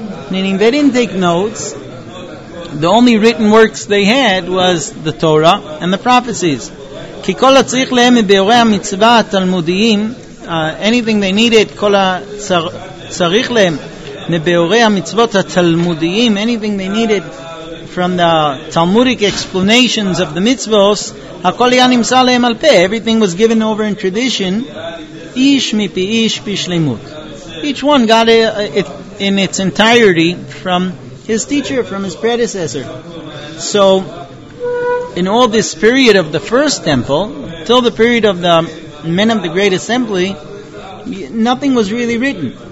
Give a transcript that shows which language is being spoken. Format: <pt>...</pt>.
<en>Meaning they didn't take notes. The only written works they had was the Torah and the prophecies.</en> <he>כי כל הצריך להם מביורי המצווה התלמודיים,</he> <en>anything they needed,</en> <he>כל הצריך להם מביורי המצוות התלמודיים,</he> <en>anything they needed from the Talmudic explanations of the mitzvos,</en> <he>הכל היה נמסר להם על פה.</he> <en>Everything was given over in tradition,</en> <he>איש מפי איש בשלמות.</he> <en>Each one got it in its entirety from his teacher, from his predecessor. So, in all this period of the first temple, till the period of the men of the great assembly, nothing was really written.</en>